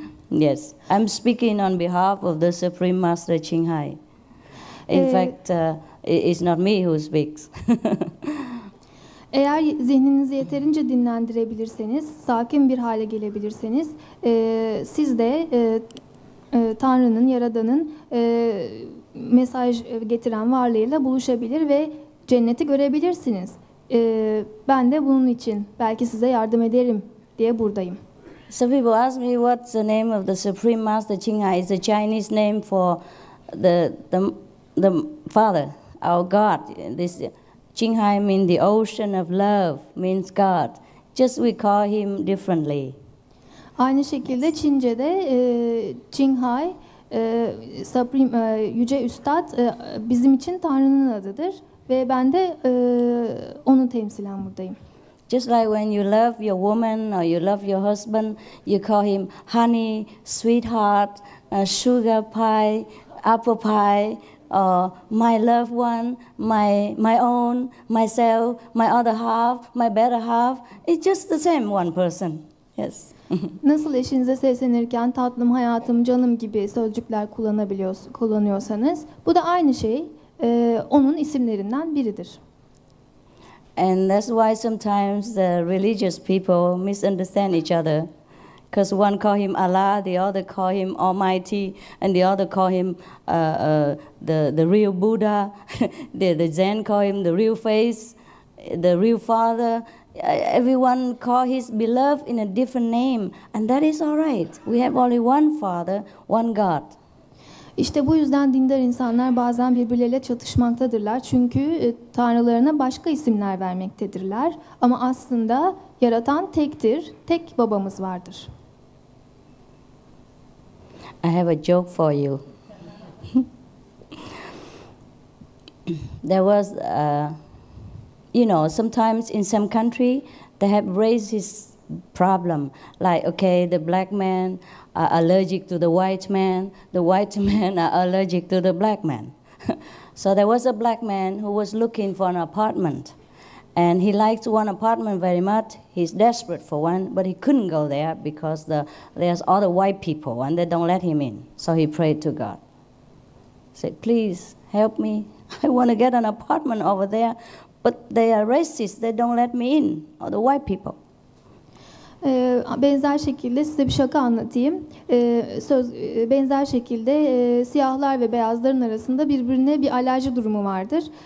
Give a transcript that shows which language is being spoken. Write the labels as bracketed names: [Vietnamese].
[English] Yes, I'm speaking on behalf of the Supreme Master Qinghai. It's not me who speaks. [Turkish] Eğer zihninizi yeterince dinlendirebilirseniz, sakin bir hale gelebilirseniz, siz de Tanrı'nın, Yaradan'ın mesaj getiren varlığıyla buluşabilir ve cenneti görebilirsiniz. Ben de bunun için belki size yardım ederim diye buradayım. [English] Some people ask me what's the name of the Supreme Master Qinghai. It's a Chinese name for the Father. Our God, this Qinghai means the ocean of love, means God. Just we call him differently. [Turkish] Aynı şekilde Çince'de Qinghai, Supreme, Yüce Üstad bizim için Tanrı'nın adıdır. Ve ben de onu temsilen buradayım. [English] Just like when you love your woman or you love your husband, you call him honey, sweetheart, sugar pie, apple pie. My loved one, my own, myself, my other half, my better half. It's just the same one person. Yes. [Turkish] Nasıl eşinize seslenirken tatlım, hayatım, canım gibi sözcükler kullanıyorsanız, bu da aynı şey onun isimlerinden biridir. [English] And that's why sometimes the religious people misunderstand each other. Because one call him Allah, the other call him Almighty, and the other call him the real Buddha. the Zen call him the real face, the real father. Everyone call his beloved in a different name, and that is all right. We have only one father, one God. [Turkish] İşte bu yüzden dindar insanlar bazen birbirleriyle çatışmaktadırlar. Çünkü tanrılarına başka isimler vermektedirler. Ama aslında yaratan tektir, tek babamız vardır. [English] I have a joke for you. There was, you know, sometimes in some country they have racist problem. Like, okay, the black man are allergic to the white man are allergic to the black man. So there was a black man who was looking for an apartment. And he liked one apartment very much. He's desperate for one, but he couldn't go there because there's other white people and they don't let him in. So he prayed to God. He said, please help me. I want to get an apartment over there, but they are racist. They don't let me in, other white people. [Turkish] Benzer şekilde size bir şaka anlatayım. Benzer şekilde siyahlar ve beyazların arasında birbirine bir alerji durumu vardır.